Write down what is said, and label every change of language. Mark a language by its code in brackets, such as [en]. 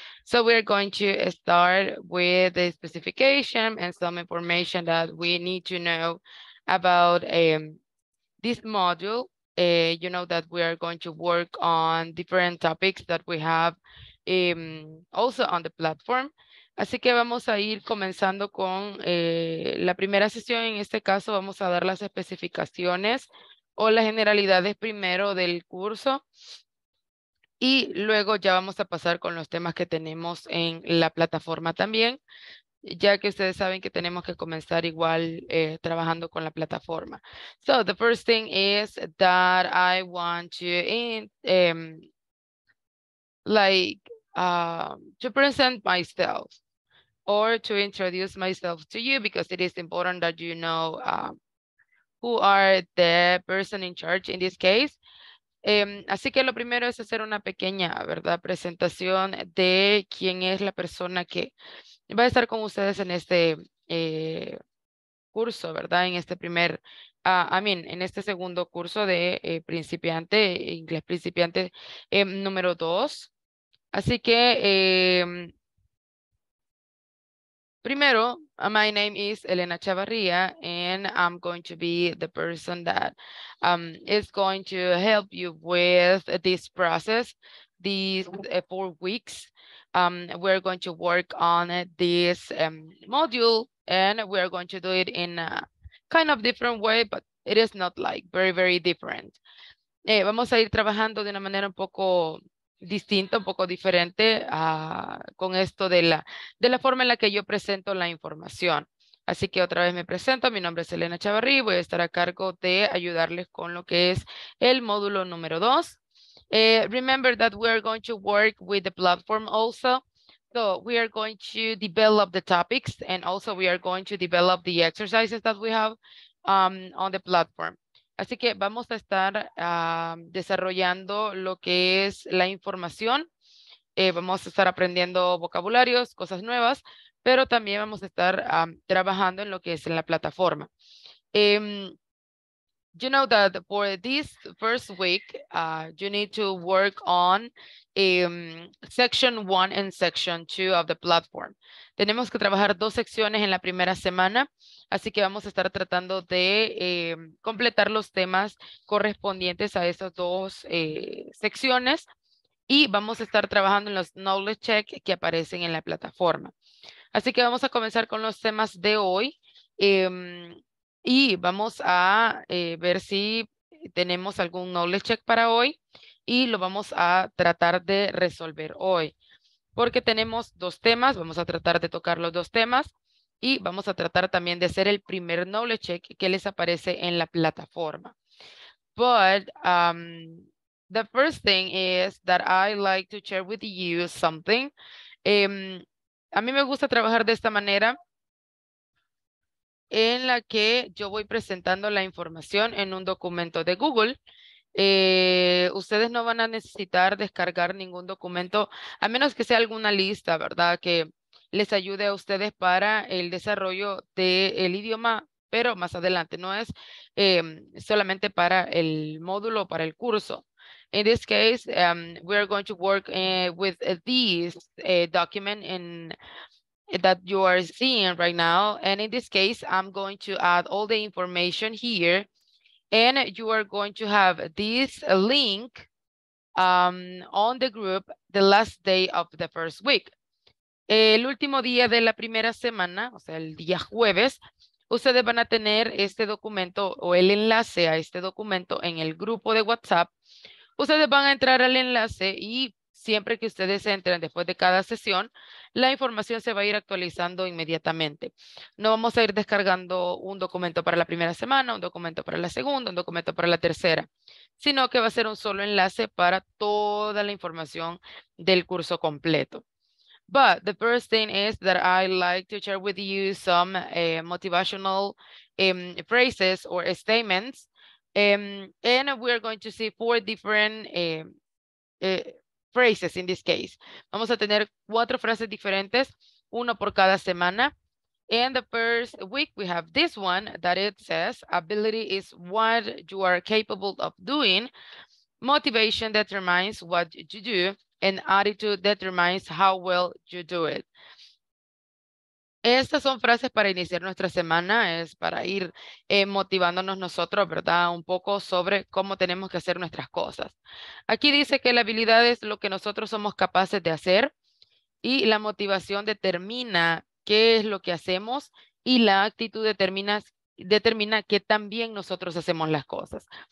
[en] So we're going to start with the specification and some information that we need to know about this module. You know that we are going to work on different topics that we have also on the platform. [es] Así que vamos a ir comenzando con la primera sesión. En este caso vamos a dar las especificaciones o las generalidades primero del curso y luego ya vamos a pasar con los temas que tenemos en la plataforma también, ya que ustedes saben que tenemos que comenzar igual trabajando con la plataforma. [en] So the first thing is that I want to to present myself or to introduce myself to you, because it is important that you know who are the person in charge in this case. [es] Así que lo primero es hacer una pequeña, ¿verdad?, presentación de quién es la persona que va a estar con ustedes en este curso, ¿verdad?, en este primer, en este segundo curso de principiante, inglés principiante número 2. Así que, primero, [en] my name is Elena Chavarria, and I'm going to be the person that is going to help you with this process, these 4 weeks. We're going to work on this module, and we're going to do it in a kind of different way, but it is not like very, very different. [es] Vamos a ir trabajando de una manera un poco distinto, un poco diferente con esto de la forma en la que yo presento la información. Así que otra vez me presento, mi nombre es Elena Chavarri, voy a estar a cargo de ayudarles con lo que es el módulo número 2. [en] Remember that we are going to work with the platform also. So we are going to develop the topics and also we are going to develop the exercises that we have on the platform. [es] Así que vamos a estar desarrollando lo que es la información. Vamos a estar aprendiendo vocabularios, cosas nuevas, pero también vamos a estar trabajando en lo que es en la plataforma. [en] You know that for this first week, you need to work on section 1 and section 2 of the platform. [es] Tenemos que trabajar dos secciones en la primera semana, así que vamos a estar tratando de completar los temas correspondientes a esas dos secciones y vamos a estar trabajando en los knowledge check que aparecen en la plataforma. Así que vamos a comenzar con los temas de hoy. Y vamos a ver si tenemos algún knowledge check para hoy y lo vamos a tratar de resolver hoy. Porque tenemos dos temas, vamos a tratar de tocar los dos temas y vamos a tratar también de hacer el primer knowledge check que les aparece en la plataforma. [en] But the first thing is that I like to share with you something. [es] A mí me gusta trabajar de esta manera, en la que yo voy presentando la información en un documento de Google. Ustedes no van a necesitar descargar ningún documento, a menos que sea alguna lista, ¿verdad?, que les ayude a ustedes para el desarrollo del idioma, pero más adelante no es solamente para el módulo, para el curso. [en] In this case, we are going to work with this document that you are seeing right now. And in this case, I'm going to add all the information here and you are going to have this link on the group the last day of the first week. [es] El último día de la primera semana, o sea, el día jueves, ustedes van a tener este documento o el enlace a este documento en el grupo de WhatsApp. Ustedes van a entrar al enlace y Siempre que ustedes entren después de cada sesión, la información se va a ir actualizando inmediatamente. No vamos a ir descargando un documento para la primera semana, un documento para la segunda, un documento para la tercera, sino que va a ser un solo enlace para toda la información del curso completo. [en] But the first thing is that I like to share with you some motivational phrases or statements. And we are going to see four different phrases in this case. [es] Vamos a tener cuatro frases diferentes, uno por cada semana. [en] And the first week we have this one that it says, ability is what you are capable of doing. Motivation determines what you do. And attitude determines how well you do it. [es] Estas son frases para iniciar nuestra semana, es para ir motivándonos nosotros, ¿verdad? Un poco sobre cómo tenemos que hacer nuestras cosas. Aquí dice que la habilidad es lo que nosotros somos capaces de hacer y la motivación determina qué es lo que hacemos y la actitud determina qué tan bien nosotros hacemos las cosas.